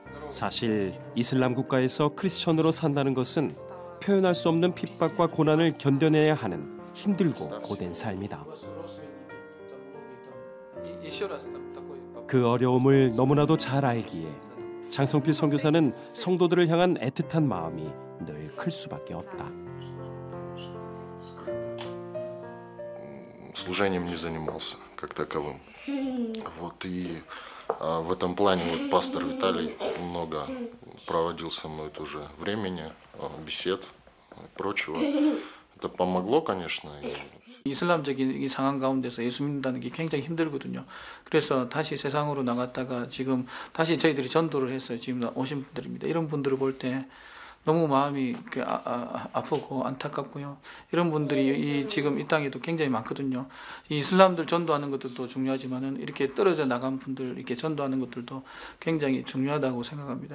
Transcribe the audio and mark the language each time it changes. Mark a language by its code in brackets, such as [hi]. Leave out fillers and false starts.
[ko] 사실 이슬람 국가에서 크리스천으로 산다는 것은 표현할 수 없는 핍박과 고난을 견뎌내야 하는 힘들고 고된 삶이다. 그 어려움을 너무나도 잘 알기에 장성필 선교사는 성도들을 향한 애틋한 마음이 늘 클 수밖에 없다. [ru] служением не занимался как таковым. Вот и в этом плане вот пастор Виталий много проводил со мной тоже времени, бесед, прочего. Это помогло, конечно. [ko] 이슬람적인 이 상황 가운데서 예수 믿는다는 게 굉장히 힘들거든요. 그래서 다시 세상으로 나갔다가 지금 다시 저희들이 전도를 했어요. 지금 오신 분들입니다. 이런 분들을 볼 때 너무 마음이 아프고 안타깝고요. 이런 분들이 지금 이 땅에도 굉장히 많거든요. 이슬람들 전도하는 것들도 중요하지만은 이렇게 떨어져 나간 분들 이렇게 전도하는 것들도 굉장히 중요하다고 생각합니다.